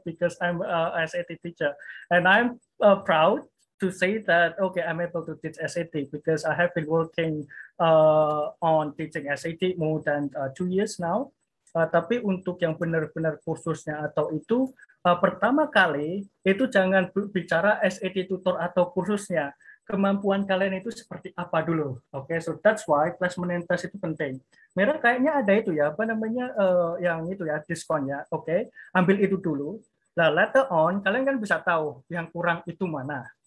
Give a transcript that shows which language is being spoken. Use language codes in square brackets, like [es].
[en] Because I'm a SAT teacher and I'm proud to say that I'm able to teach SAT because I have been working on teaching SAT more than 2 years now. [id] Tapi untuk yang benar-benar kursusnya atau itu pertama kali itu jangan bicara SAT tutor atau kursusnya, kemampuan kalian itu seperti apa dulu. [en] So that's why placement and test [id] itu penting. Mera kayaknya ada itu ya apa namanya yang itu ya diskonnya. Ambil itu dulu. Nah, [en] later on [id] kalian kan bisa tahu yang kurang itu mana.